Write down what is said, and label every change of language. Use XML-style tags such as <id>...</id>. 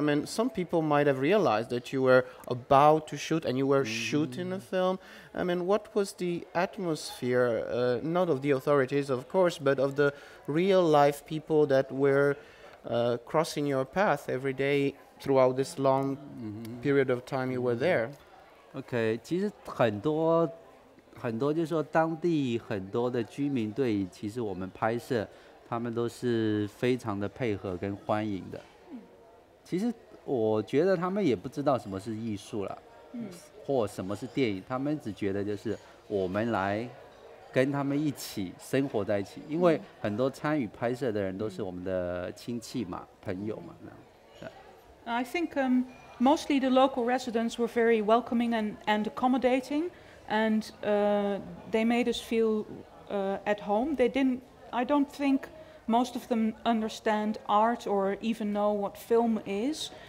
<en>I mean, some people might have realized that you were about to shoot and you were mm-hmm. shooting a film. I mean, what was the atmosphere, not of the authorities, of course, but of the real life people that were crossing your path every day throughout this long mm-hmm. period of time you were there?</en> <zh>Okay, 其实很多就是说当地很多的居民对其实我们拍摄 他们都是非常的配合跟欢迎的。其实我觉得他们也不知道什么是艺术了，或什么是电影，他们只觉得就是我们来跟他们一起生活在一起。因为很多参与拍摄的人都是我们的亲戚嘛，朋友嘛，这样。</zh> <en>I think mostly the local residents were very welcoming and accommodating, and they made us feel at home. I don't think most of them understand art or even know what film is.</en>